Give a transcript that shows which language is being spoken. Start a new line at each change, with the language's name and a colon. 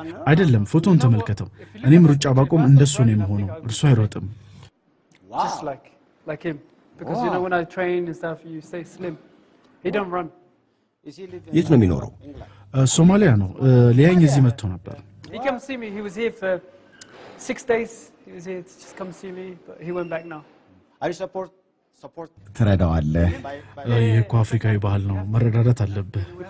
Amharic: አይደለም ፎቶን ተመልከተው። እኔም ሩጫ ባቆም እንደሱ ነው የሚሆነው። እርሱ አይሮጥም።
English: Just like him because you know when I train and stuff you say slim. He don't run. Is he living?
Amharic: የት ነው የሚኖረው? ሶማሊያ ነው። ሊያኝ እዚህ መጥቶ ነበር።
English: He came to see me. He was here for 6 days. He was here to just come see me, but he went back now. I support
Amharic: ትረዳዋለ። የኮ አፍሪካዊ ባህል ነው መረዳዳት አለበት።